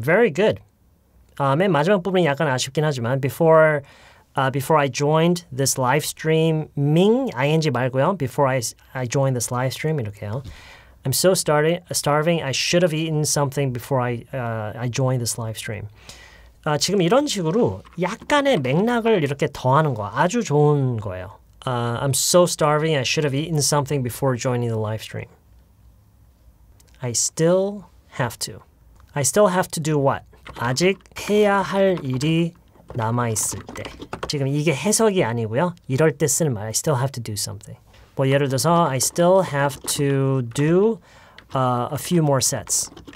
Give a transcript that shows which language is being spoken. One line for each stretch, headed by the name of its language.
English: Very good.
Korean: 맨 마지막 부분이 약간 아쉽긴 하지만
English: before I joined this live stream, ing
Korean: 말고요.
English: Before I joined this live stream,
Korean: 이렇게요.
English: I'm so starving. I should have eaten something before I joined this live stream.
Korean: 지금 이런 식으로 약간의 맥락을 이렇게 더하는 거 아주 좋은 거예요.
English: I'm so starving. I should have eaten something before joining the live stream. I still have to. I still have to do what?
Korean: 아직 해야 할 일이 남아 있을 때. 지금 이게 해석이 아니고요. 이럴 때 쓰는 말.
English: I still have to do something.
Korean: 뭐 예를 들어서
English: I still have to do a few more sets.